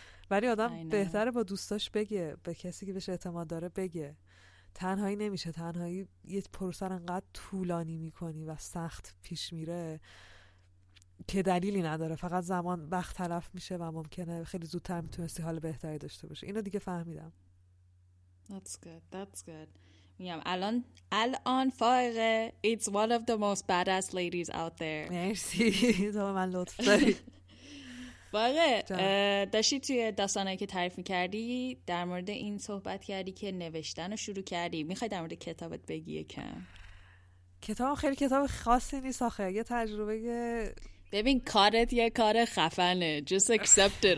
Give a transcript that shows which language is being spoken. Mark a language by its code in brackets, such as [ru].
[fa] ولی آدم بهتره با دوستاش بگه، به کسی که بهش اعتماد داره بگه. تنهایی نمیشه، تنهایی یه پروسه انقدر طولانی میکنی و سخت پیش میره که دلیلی نداره، فقط زمان وقت تلف میشه و ممکنه خیلی زودتر میتونستی حال بهتری داشته باشه. اینو دیگه فهمیدم. [en] That's good. [fa] میام الان [en] فائقه it's one of the most badass ladies out there. [fa] مرسی تو من لطف داری. فائقه داشتی توی داستانه که تعریف میکردی در مورد این صحبت کردی که نوشتن رو شروع کردی، میخوای در مورد کتابت بگی یکم؟ کتاب خیلی کتاب خاصی نیست آخه، یه تجربه یه... ببین کارت یه کار خفنه، [en] just accept it.